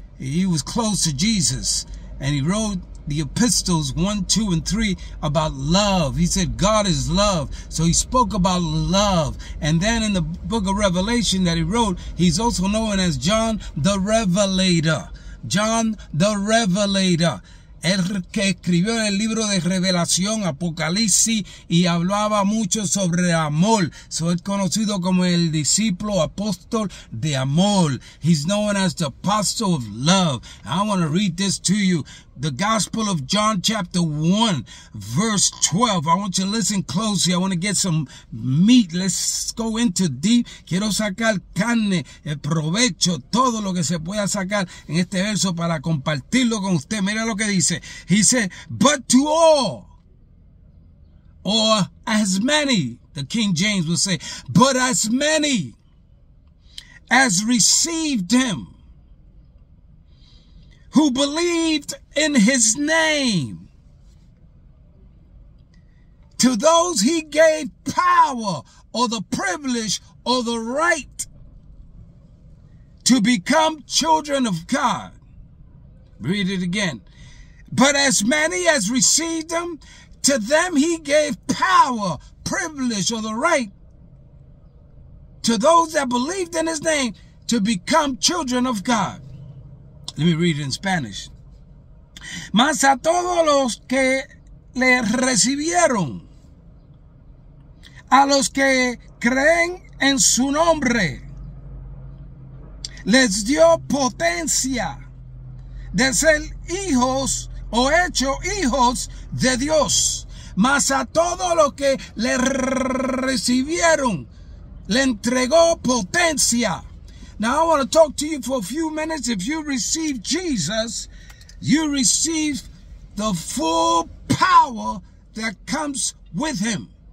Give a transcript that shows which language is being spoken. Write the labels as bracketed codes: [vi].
[en] He was close to Jesus. And he wrote the epistles 1, 2, and 3 about love. He said, God is love. So he spoke about love. And then in the book of Revelation that he wrote, he's also known as John the Revelator. John the Revelator. [es] El que escribió el libro de Revelación, Apocalipsis, y hablaba mucho sobre amor. So es conocido como el discípulo apóstol de amor. [en] He's known as the apostle of love. I want to read this to you. The Gospel of John, chapter 1, verse 12. I want you to listen closely. I want to get some meat. Let's go into deep. [es] Quiero sacar carne, el provecho, todo lo que se pueda sacar en este verso para compartirlo con usted. Mira lo que dice. [en] He said, but to all, or as many, the King James would say, but as many as received him, who believed in his name, to those he gave power or the privilege or the right to become children of God. Read it again. But as many as received him, to them he gave power, privilege, or the right to those that believed in his name to become children of God. Let me read it in Spanish. [es] Mas a todos los que le recibieron, a los que creen en su nombre, les dio potencia de ser hijos o hecho hijos de Dios. Mas a todos los que le recibieron, le entregó potencia. [en] Now, I want to talk to you for a few minutes. If you receive Jesus, you receive the full power that comes with him.